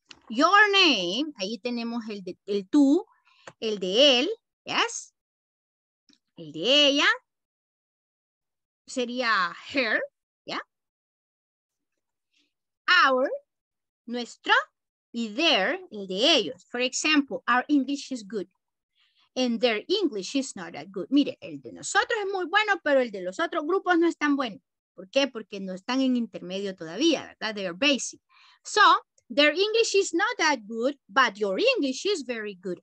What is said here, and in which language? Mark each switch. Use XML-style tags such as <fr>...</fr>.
<en>Your name,</en> <es>ahí tenemos el tú, el de él, yes? El de ella. Sería her,</es> <en>yeah?</en> <es>Our, nuestro, y their, el de ellos.</es> <en>For example, our English is good, and their English is not that good.</en> <es>Mire, el de nosotros es muy bueno, pero el de los otros grupos no es tan bueno. ¿Por qué? Porque no están en intermedio todavía, ¿verdad?</es> <en>They are basic. So, their English is not that good, but your English is very good.</en>